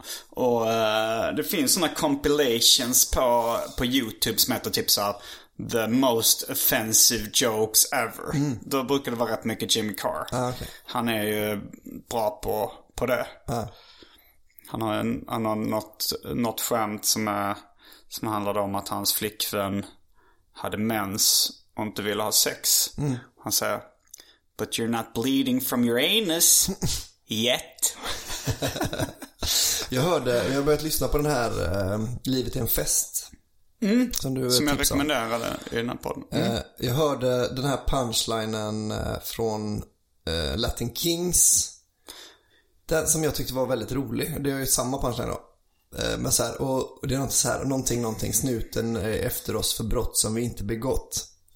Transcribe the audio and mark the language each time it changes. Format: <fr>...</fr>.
<sv>Och det finns såna compilations på YouTube som heter typ såhär</sv> <en>the most offensive jokes ever.</en> <sv>Då brukar det vara rätt mycket Jimmy Carr. Han är ju bra på det. Han har något skämt som handlade om att hans flickvän hade mens och inte ville ha sex.</sv> <en>Han säger: but you're not bleeding from your anus yet.</en> <sv>Jag har börjat lyssna på den här Livet är en fest. Som jag rekommenderade i den här podden. Jag hörde den här punchlinen från Latin Kings. Den som jag tyckte var väldigt rolig. Det är ju samma punchline då. Men så här, och det är något så här, någonting snuten efter oss för brott som vi inte begått.</sv>